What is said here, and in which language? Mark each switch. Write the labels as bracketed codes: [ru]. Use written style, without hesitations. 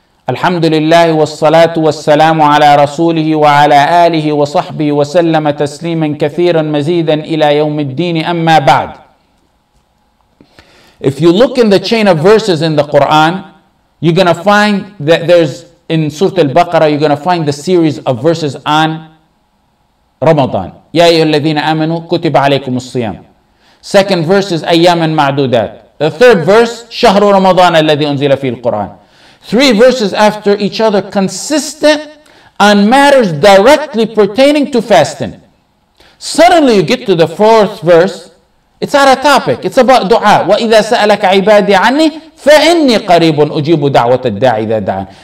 [ar] الحمد لله والصلاة والسلام على رسوله وعلى آله وصحبه وسلم تسليما كثيرا مزيدا إلى يوم الدين. [en] أما بعد, if you look in the chain of verses in the Quran, you're gonna find that there's in Surah Al-Baqarah, you're gonna find the series of verses on Ramadan. [ar] يا أيها الذين آمنوا كتب عليكم الصيام. [en] Second verse is أياما معدودات. [ar] The third verse, شهر رمضان الذي أنزل فيه القرآن. [en] Three verses after each other, consistent on matters directly pertaining to fasting. Suddenly you get to the fourth verse, it's out of topic. [ar] It's about dua. وَإِذَا سَأَلَكَ عِبَادِي عَنِّي فَإِنِّي قَرِيبٌ أُجِيبُ دَعْوَةَ الدَّاعِ إِذَا دَعَانِ.